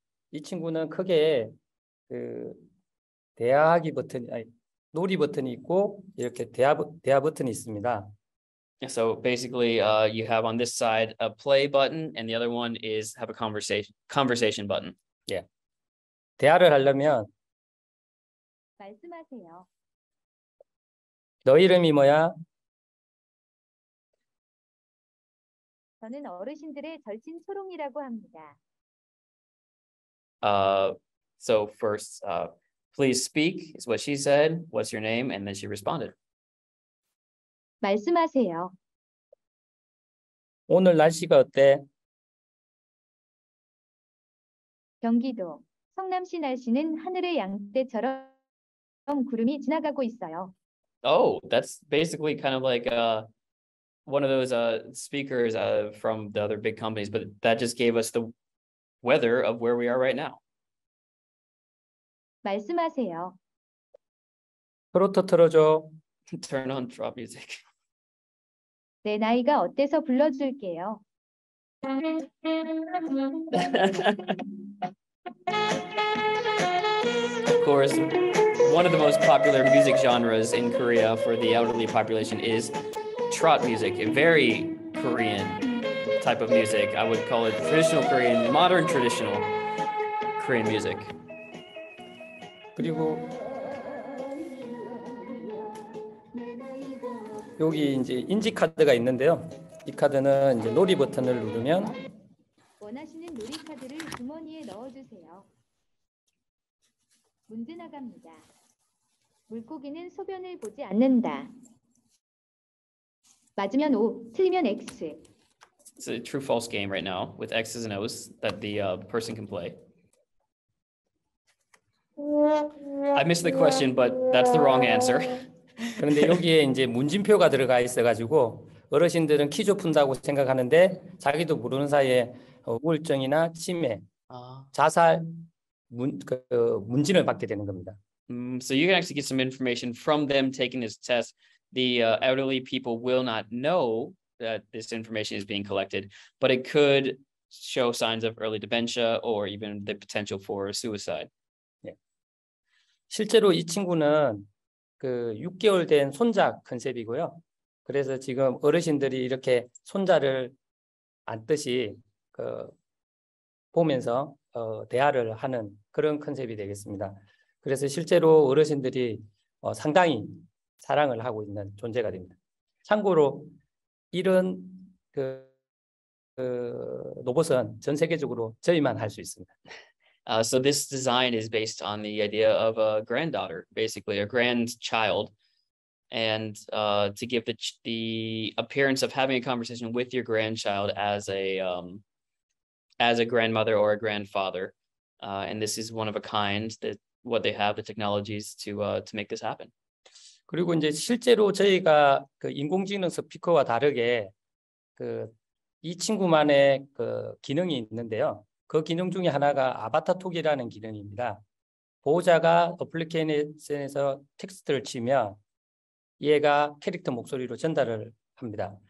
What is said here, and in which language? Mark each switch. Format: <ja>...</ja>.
<ko>이 친구는 크게 그 대화하기 버튼 아니 놀이 버튼이 있고 이렇게 대화 버튼이 있습니다.</ko> <en>So basically you have on this side a play button and the other one is have a conversation button.</en> <ko>예. 대화를 하려면 말씀하세요. 너 이름이 뭐야? 저는 어르신들의 절친 초롱이라고 합니다.</ko> <en>So first, please speak is what she said. What's your name? And then she responded.</en> <ko>말씀하세요. 오늘 날씨가 어때? 경기도 성남시 날씨는 하늘의 양떼처럼 구름이 지나가고 있어요.</ko> <en>Oh, that's basically kind of like one of those speakers from the other big companies, but that just gave us the weather of where we are right now.</en> <ko>말씀하세요. 트로트 틀어줘.</ko> <en>Turn on drop music.</en> <ko>내 나이가 어때서 불러줄게요.</ko> <en>Okay. course, one of the most popular music genres in Korea for the elderly population is trot music, a very Korean type of music. I would call it traditional Korean, modern traditional Korean music.</en> <ko>그리고 여기 이제 인지 카드가 있는데요. 이 카드는 이제 놀이 버튼을 누르면 원하시는 놀이 카드를 주머니에 넣어주세요. 문제 나갑니다. 물고기는 소변을 보지 않는다. 맞으면 O, 틀리면 X.</ko> <en>It's a true-false game right now with X's and O's that the person can play. I missed the question, but that's the wrong answer.</en> <ko>그런데 여기에 이제 문진표가 들어가 있어가지고 어르신들은 키조 푼다고 생각하는데 자기도 모르는 사이에 우울증이나 치매, 자살, 문진을 받게 되는 겁니다.</ko> <en>So you can actually get some information from them taking this test. The elderly people will not know that this information is being collected, but it could show signs of early dementia or even the potential for suicide.</en> <ko>실제로 이 친구는 그 6개월 된 손자 컨셉이고요. 그래서 지금 어르신들이 이렇게 손자를 안듯이 그 보면서 대화를 하는 그런 컨셉이 되겠습니다. 그래서 실제로 어르신들이 상당히 사랑을 하고 있는 존재가 됩니다. 참고로 이런 그 로봇은 전 세계적으로 저희만 할 수 있습니다.</ko> <en>So this design is based on the idea of a granddaughter, basically a grandchild, and to give the appearance of having a conversation with your grandchild as a grandmother or a grandfather, and this is one of a kind that what they have the technologies to make this happen.</en> <ko>그리고 이제 실제로 저희가 그 인공지능 스피커와 다르게 그 이 친구만의 그 기능이 있는데요. 그 기능 중에 하나가 아바타 톡이라는 기능입니다. 보호자가 어플리케이션에서 텍스트를 치면 얘가 캐릭터 목소리로 전달을 합니다.</ko>